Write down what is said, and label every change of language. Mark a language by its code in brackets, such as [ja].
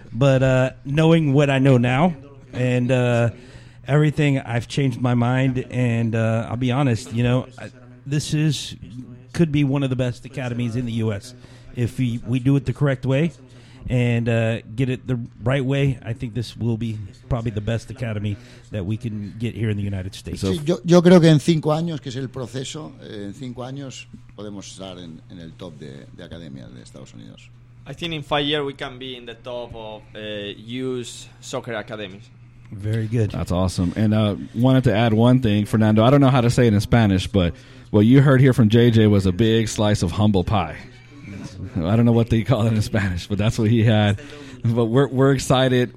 [en] But knowing what I know now and everything, I've changed my mind. And I'll be honest, you know, this could be one of the best academies in the U.S. If we do it the correct way and get it the right way, I think this will be probably the best academy that we can get here in the United States. [es] Yo creo que en 5 años, que es el proceso, en 5 años podemos estar en el top de academia de Estados Unidos. [en] I think in 5 years we can be in the top of youth soccer academies. Very good. That's awesome. And I wanted to add one thing, Fernando. I don't know how to say it in Spanish, but what you heard here from JJ was a big slice of humble pie. I don't know what they call it in Spanish, but that's what he had. But we're excited.